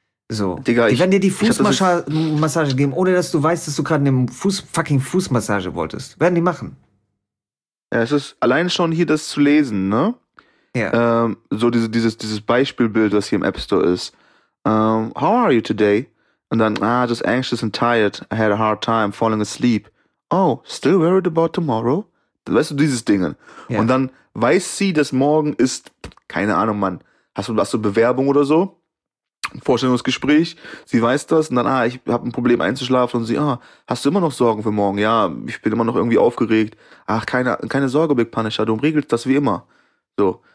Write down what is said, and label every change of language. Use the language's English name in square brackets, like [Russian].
[German] So. Digga, die werden dir die Fußmassage geben, ohne dass du weißt, dass du gerade eine fucking Fußmassage wolltest. Werden die machen. Ja, es ist allein schon hier das zu lesen, ne? [English] Yeah. [German] So dieses Beispielbild, was hier im App Store ist. [English] How are you today? [German] Und dann, [English] just anxious and tired. I had a hard time falling asleep. Oh, still worried about tomorrow? [German] Weißt du, dieses Ding. [English] Yeah. [German] Und dann weiß sie, dass morgen ist, keine Ahnung, Mann, hast du Bewerbung oder so? Vorstellungsgespräch. Sie weiß das und dann, ich habe ein Problem einzuschlafen und sie, hast du immer noch Sorgen für morgen? Ja, ich bin immer noch irgendwie aufgeregt. Ach, keine Sorge, Big Punisher, du regelst das wie immer. So.